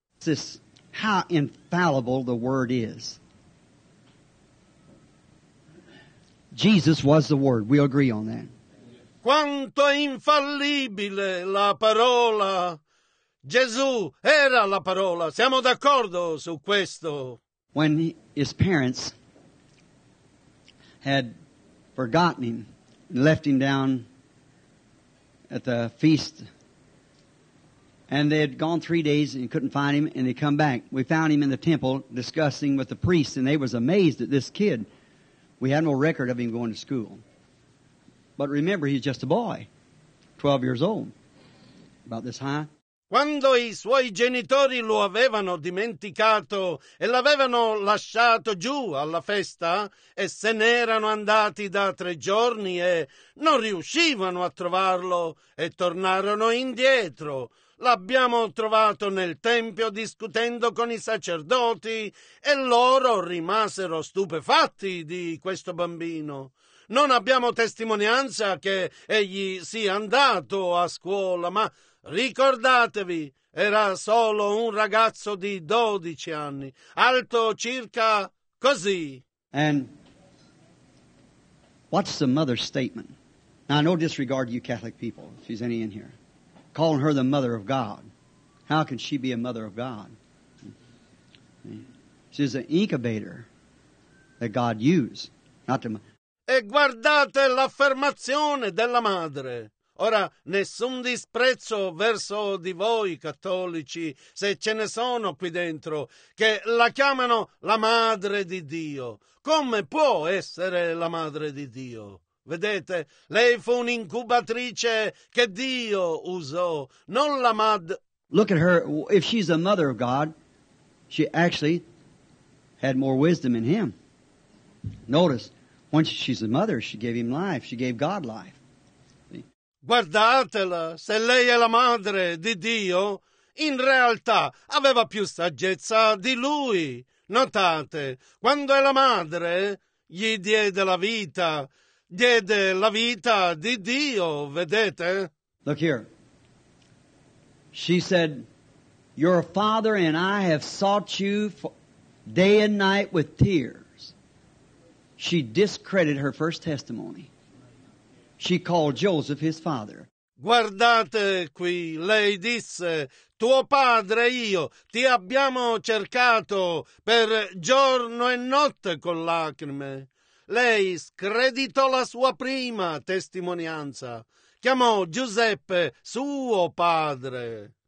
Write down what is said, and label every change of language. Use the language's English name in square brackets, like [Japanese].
[English] This, how infallible the word is. Jesus was the word. We agree on that. [Italian] Quanto è infallibile la parola. Gesù era la parola. Siamo d'accordo su questo. [English] When his parents had forgotten him and left him down at the feast, and they had gone 3 days and couldn't find him, and they come back. We found him in the temple discussing with the priests, and they was amazed at this kid. We had no record of him going to school. But remember, he's just a boy, 12 years old, about this high. [Italian] Quando i suoi genitori lo avevano dimenticato e l'avevano lasciato giù alla festa e se n'erano andati da 3 giorni e non riuscivano a trovarlo e tornarono indietro, L'abbiamo trovato nel Tempio discutendo con i sacerdoti e loro rimasero stupefatti di questo bambino. Non abbiamo testimonianza che egli sia andato a scuola, ma ricordatevi, era solo un ragazzo di 12 anni, alto circa così. [English] And what's the mother's statement? Now, no disregard to you Catholic people, if there's any in here. Calling her the mother of God. How can she be a mother of God? She's an incubator that God used, not the mother. [Italian] E guardate l'affermazione della madre. Ora, nessun disprezzo verso di voi, cattolici, se ce ne sono qui dentro, che la chiamano la madre di Dio. Come può essere la madre di Dio? Vedete, lei fu un'incubatrice che Dio usò, non la madre. [English] Look at her, if she's a mother of God, she actually had more wisdom in him. Notice, once she's a mother, she gave him life, she gave God life. [Italian] Guardatela, se lei è la madre di Dio, in realtà aveva più saggezza di lui. Notate, quando è la madre, gli diede la vita di Dio, vedete? [English] Look here. She said, your father and I have sought you day and night with tears. She discredited her first testimony. She called Joseph his father. [Italian] Guardate qui, lei disse, tuo padre e io ti abbiamo cercato per giorno e notte con lacrime. Lei screditò la sua prima testimonianza. Chiamò Giuseppe suo padre.